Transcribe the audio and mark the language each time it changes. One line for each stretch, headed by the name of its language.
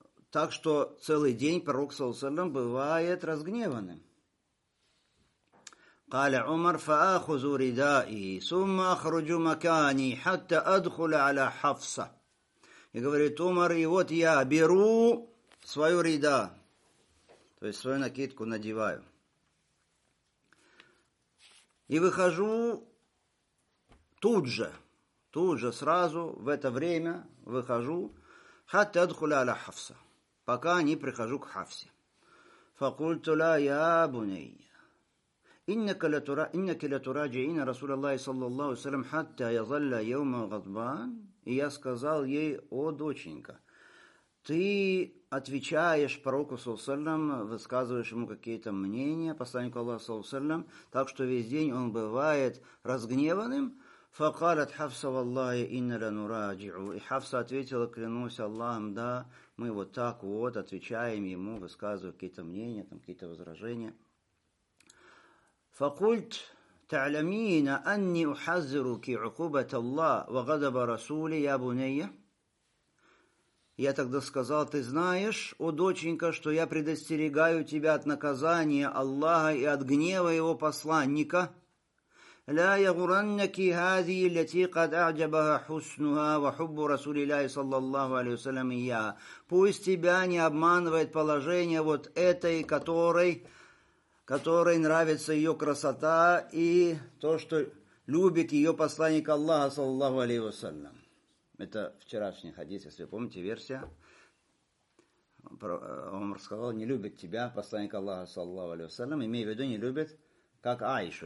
Russian: Так что целый день пророк, саллаллаху алейхи ва саллям, бывает разгневанным.
Arabic: قال عمر فأخذ ردائي ثم أخرج مكاني حتى أدخل على حفصة.
Russian: И говорит Умар, и вот я беру свою рида, то есть свою накидку надеваю, и выхожу тут же, сразу в это время выхожу,
Arabic: حتى أدخل على حفصة,
Russian: пока не прихожу к Хафсе.
Arabic: فقلت لها يا بني إنك لتراجعين رسول الله صلى الله عليه وسلم حتى يظل يوم غضبان.
Russian: И я сказал ей, о доченька, ты отвечаешь пророку саллаллаху алейхи ва саллям, высказываешь ему какие-то мнения, посланнику Аллаха саллаллаху алейхи ва саллям, так что весь день он бывает разгневанным.
Arabic: فقالت حفصة والله إن لنراجع.
Russian: И Хафса ответила, клянусь Аллахом, да, мы вот так вот отвечаем ему, высказываем какие-то мнения, там какие-то возражения.
Arabic: فقلت تعلمين أني أحذرك عقوبة الله وغضب رسوله يا بني.
Russian: Я тогда сказал, ты знаешь, о доченька, что я предостерегаю тебя от наказания Аллаха и от гнева его посланника.
Arabic: لا يغرنك هذه التي قد أعجبها حسنها وحب رسول الله صلى الله عليه وسلم إياها.
Russian: Пусть тебя не обманывает положение вот этой, которой нравится ее красота и то, что любит ее посланник Аллаха, саллаллаху алейхи ва саллям. Это вчерашний хадис, если вы помните, версия. Он рассказал, не любит тебя посланник Аллаха, саллаллаху алейхи ва саллям, имея в виду, не любит, как Айшу.